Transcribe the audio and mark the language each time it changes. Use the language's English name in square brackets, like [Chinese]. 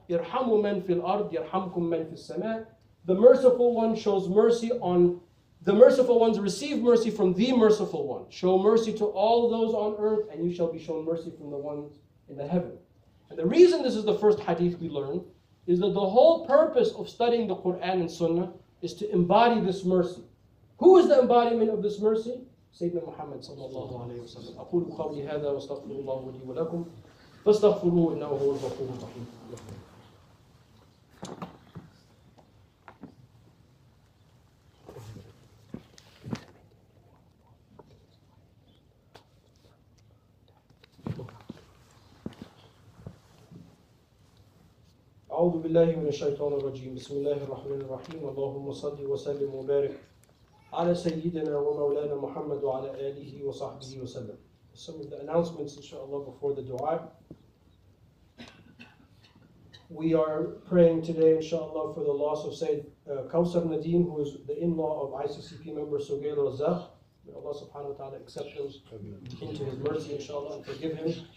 [Arabic] Irhamu man fil ard yarhamkum man fil sama'. [English] The merciful one shows mercy on the merciful ones, receive mercy from the merciful one. Show mercy to all those on earth, and you shall be shown mercy from the ones in the heaven. And the reason this is the first hadith we learn is that the whole purpose of studying the Quran and Sunnah is to embody this mercy. Who is the embodiment of this mercy? Sayyidina Muhammad sallallahu alayhi wa sallam. [Arabic] أقول قولي هذا واستغفر الله لي ولكم فاستغفروه إنه هو الغفور الرحيم. أعوذ بالله من الشيطان الرجيم. بسم الله الرحمن الرحيم. اللهم صل وسلم وبارك على سيدنا ومولانا محمد وعلى آله وصحبه وسلم. [English] Some of the announcements, inshallah, before the dua. We are praying today, inshallah, for the loss of Sayyid Kausar Nadeem, who is the in-law of ICCP member Sogail Razak. May Allah subhanahu wa ta'ala accept him into his mercy, inshallah, and forgive him.